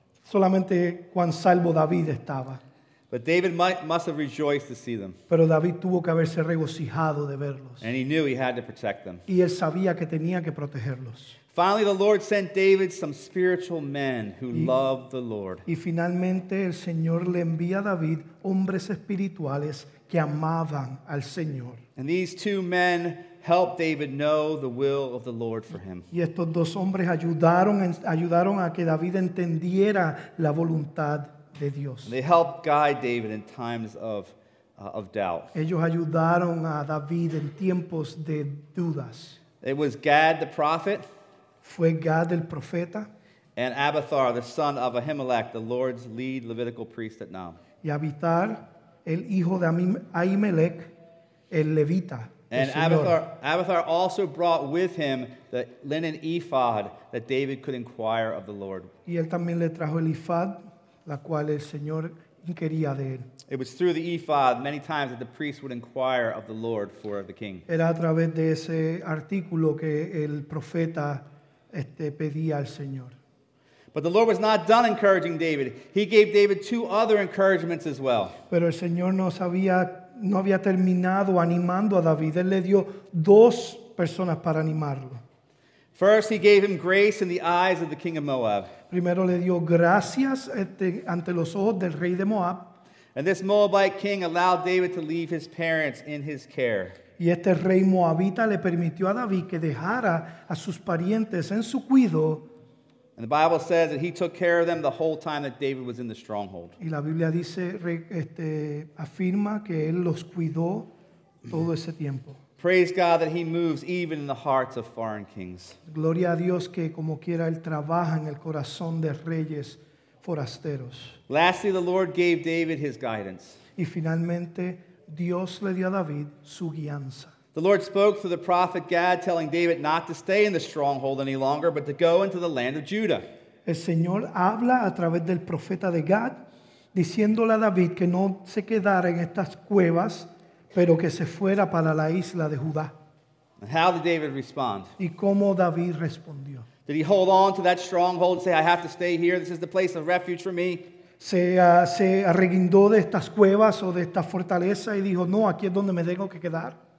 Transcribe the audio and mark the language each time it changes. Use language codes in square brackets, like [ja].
[es] Solamente cuán salvo David estaba. [en] But David must have rejoiced to see them. [es] Pero David tuvo que haberse regocijado de verlos. [en] And he knew he had to protect them. [es] Y él sabía que tenía que protegerlos. [en] Finally, the Lord sent David some spiritual men who loved the Lord. [es] Y finalmente el Señor le envía a David hombres espirituales que amaban al Señor. [en] And these two men helped David know the will of the Lord for him. [es] Y estos dos hombres ayudaron a que David entendiera la voluntad de Dios. [en] And they helped guide David in times of doubt. [es] Ellos ayudaron a David en tiempos de dudas. [en] It was Gad the prophet. [es] Fue Gad el profeta. [en] And Abiathar, the son of Ahimelech, the Lord's lead Levitical priest at Nob. [es] Y Abiathar, el hijo de Ahimelech, el levita. [en] And Abiathar also brought with him the linen ephod that David could inquire of the Lord. [es] Y él también le trajo el ephod, la cual el Señor quería de él. [en] It was through the ephod many times that the priest would inquire of the Lord for the king. [es] Era a través de ese artículo que el profeta pedía al Señor. [en] But the Lord was not done encouraging David. He gave David two other encouragements as well. [es] Pero el Señor no había terminado animando a David. Él le dio dos personas para animarlo. [en] First, he gave him grace in the eyes of the king of Moab. [es] Primero le dio gracias ante los ojos del rey de Moab. [en] And this Moabite king allowed David to leave his parents in his care. [es] Y este rey moabita le permitió a David que dejara a sus parientes en su cuidado. [en] And the Bible says that he took care of them the whole time that David was in the stronghold. [es] Y la Biblia dice, afirma que él los cuidó todo ese tiempo. [en] Praise God that he moves even in the hearts of foreign kings. [es] Gloria a Dios que como quiera él trabaja en el corazón de reyes forasteros. [en] Lastly, the Lord gave David his guidance. [es] Y finalmente, Dios le dio a David su guianza. [en] The Lord spoke through the prophet Gad, telling David not to stay in the stronghold any longer, but to go into the land of Judah. [es] El Señor habla a través del profeta de Gad, diciéndole a David que no se quedara en estas cuevas, pero que se fuera para la isla de Judá. [en] And how did David respond? [es] ¿Y cómo David respondió? [en] Did he hold on to that stronghold and say, I have to stay here, this is the place of refuge for me? [es] Se arreguindó de estas cuevas o de esta fortaleza y dijo, no, aquí es donde me tengo que quedar.